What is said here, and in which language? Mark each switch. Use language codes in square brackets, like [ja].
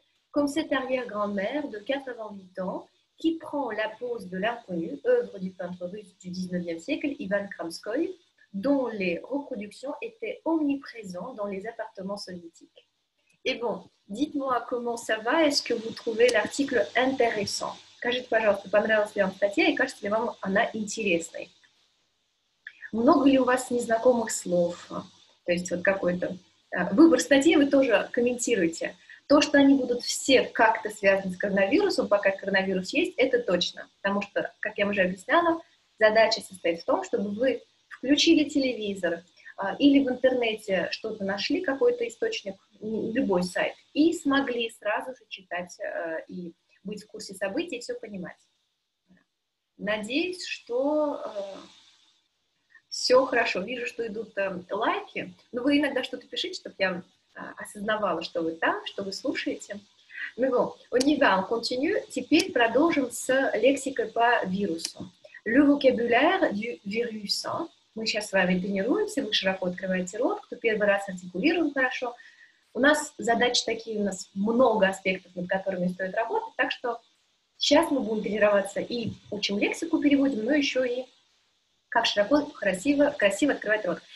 [fr] Comme cette arrière-grand-mère de 88 ans, qui prend la pose de l'inconnu, œuvre du peintre russe du 19e siècle, Ivan Kramskoy, dont les reproductions étaient omniprésentes dans les appartements soviétiques. Et bon, dites-moi comment ça va, est-ce que vous trouvez l'article intéressant? [ru] Скажите, пожалуйста, понравилась ли вам статья и кажется ли вам она интересной? Много ли у вас незнакомых слов? То есть вот какой-то выбор статьи вы тоже комментируйте. То, что они будут все как-то связаны с коронавирусом, пока коронавирус есть, это точно. Потому что, как я уже объясняла, задача состоит в том, чтобы вы включили телевизор или в интернете что-то нашли, какой-то источник, любой сайт, и смогли сразу же читать и быть в курсе событий, и все понимать. Надеюсь, что все хорошо. Вижу, что идут лайки. Но вы иногда что-то пишите, чтобы я осознавала, что вы там, что вы слушаете. [fr] Ну, on y va, on continue. [ru] Теперь продолжим с лексикой по вирусу. [fr] Le vocabulaire du virus. [ru] Мы сейчас с вами тренируемся, вы широко открываете рот, кто первый раз артикулирует хорошо, У нас задачи такие, у нас много аспектов, над которыми стоит работать, так что сейчас мы будем тренироваться и учим лексику, переводим, но еще и как широко, красиво открывать рот.